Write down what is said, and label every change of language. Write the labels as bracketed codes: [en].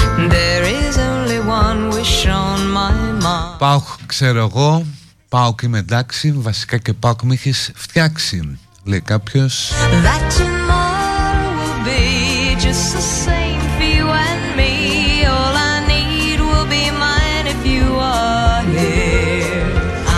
[en] There is only one wish on my mind. [el] Πάω, ξέρω εγώ, πάω και είμαι εντάξει, βασικά και πάω και με έχεις φτιάξει, λέει κάποιος. [en] That tomorrow will be just the same for you and me. All I need will be mine if you are here.